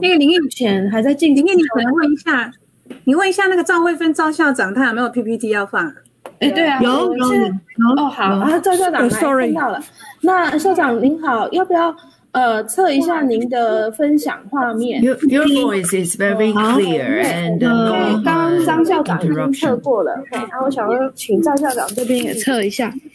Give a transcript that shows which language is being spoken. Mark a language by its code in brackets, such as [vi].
[zh] 那个林毅前还在进行，林毅你可能问一下，你问一下那个赵慧芬赵校长他有没有 PPT 要放。欸，对啊，有哦，好啊，赵校长来听到了。那校长您好，要不要测一下您的分享画面？ [en] Your voice is very clear and no interruption. [zh] 刚刚张校长已经测过了，然后我想要请赵校长这边也测一下。